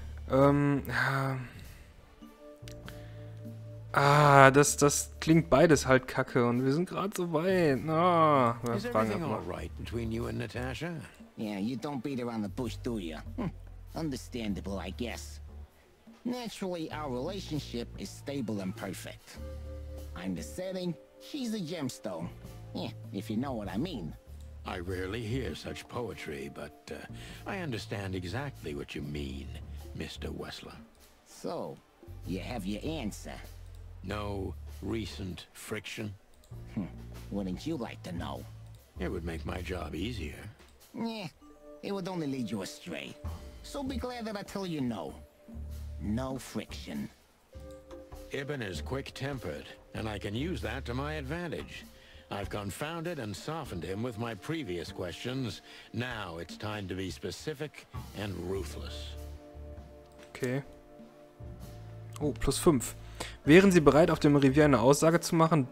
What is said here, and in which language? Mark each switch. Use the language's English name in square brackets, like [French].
[German] Das klingt beides halt kacke und wir sind gerade so weit. Oh, [English] is everything all right between you and Natascha? Yeah, you don't beat around the bush, do you? Understandable, I guess. Naturally, our relationship is stable and perfect. I'm the setting, she's a gemstone. Yeah, if you know what I mean. I rarely hear such poetry, but I understand exactly what you mean, Mr. Wessler. So, you have your answer. No recent friction? Wouldn't you like to know? It would make my job easier. Yeah, it would only lead you astray. So be glad that I tell you no. No friction. Ibn is quick-tempered, and I can use that to my advantage. I've confounded and softened him with my previous questions. Now it's time to be specific and ruthless. Okay. Oh, plus 5. [German] Wären Sie bereit, auf dem Revier eine Aussage zu machen?